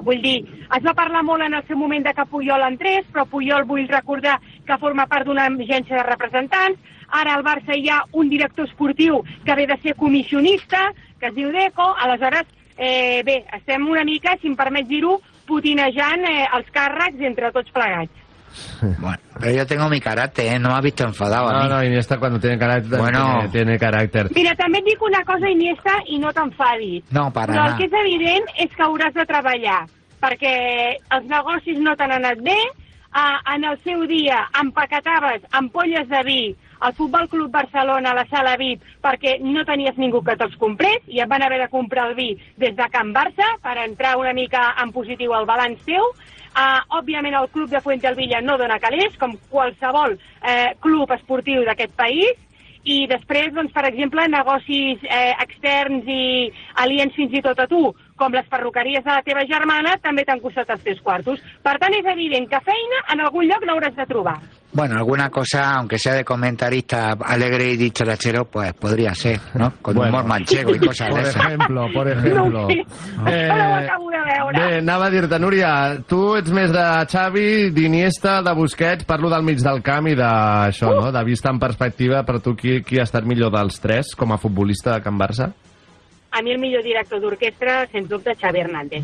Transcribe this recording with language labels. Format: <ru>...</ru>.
<ca>Vull dir, es va parlar molt en el seu moment de que Puyol entrés, però Puyol vull recordar que forma part d'una agència de representants. Ara al Barça hi ha un director esportiu que ve de ser comissionista, que es diu Deco, aleshores... bé, estem una mica, si em permets dir-ho, putinejant els càrrecs entre tots plegats.</ca> <es>Bueno, pero yo tengo mi carácter, ¿eh? No me ha visto enfadado a mí. No, Iniesta cuando tiene carácter, bueno, tiene carácter.</es> <ca>Mira, també et dic una cosa, Iniesta, i no t'enfadis.</ca> <es>No, para nada.</es> <ca>Però el que és evident és que hauràs de treballar, perquè els negocis no t'han anat bé. En el seu dia empaquetaves ampolles de vi al Futbol Club Barcelona, a la sala VIP, perquè no tenies ningú que te'ls comprés i et van haver de comprar el vi des de Can Barça per entrar una mica en positiu al balanç teu. Òbviament el club de Fuente del Villa no dona calés, com qualsevol club esportiu d'aquest país. I després, doncs, per exemple, negocis externs i aliens fins i tot a tu, com les perruqueries de la teva germana, també t'han costat els teus quartos. Per tant, és evident que feina en algun lloc l'hauràs de trobar.</ca> <es>Bueno, alguna cosa, aunque sea de comentarista alegre y dicharachero, pues podría ser, ¿no? Con bueno, humor manchego y cosas por de esas. Por ejemplo,</es> <ca>No ho acabo de veure. Bé, anava a dir-te, Núria, tu ets més de Xavi, d'Iniesta, de Busquets, parlo del mig del camp i d'això, no? De vista en perspectiva, per tu qui ha estat millor dels tres com a futbolista de Can Barça? A mi el millor director d'orquestra, sens dubte, Xavi Hernández.</ca>